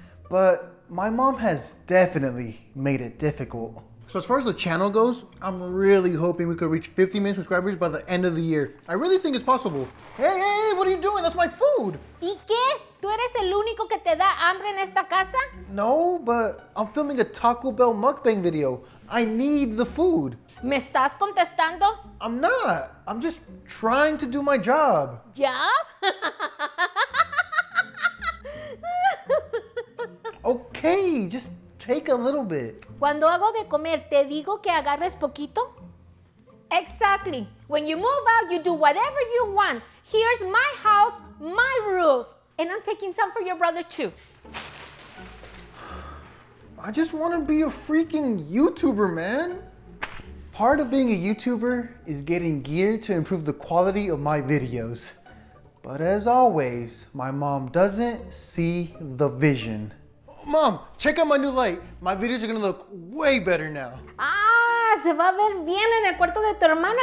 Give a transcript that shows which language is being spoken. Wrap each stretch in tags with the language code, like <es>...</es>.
<en>But my mom has definitely made it difficult. So as far as the channel goes, I'm really hoping we could reach 50 million subscribers by the end of the year. I really think it's possible. Hey, what are you doing? That's my food.</en> <es>¿Y qué? ¿Tú eres el único que te da hambre en esta casa?</es> <en>No, but I'm filming a Taco Bell mukbang video. I need the food.</en> <es>¿Me estás contestando?</es> <en>I'm not. I'm just trying to do my job. ¿Job? Okay, just take a little bit.</en> <es>Cuando hago de comer, ¿te digo que agarres poquito?</es> <en>Exactly. When you move out, you do whatever you want. Here's my house, my rules. And I'm taking some for your brother, too. I just want to be a freaking YouTuber, man. Part of being a YouTuber is getting gear to improve the quality of my videos. But as always, my mom doesn't see the vision. Mom, check out my new light. My videos are going to look way better now.</en> <es>Ah, se va a ver bien en el cuarto de tu hermano.</es>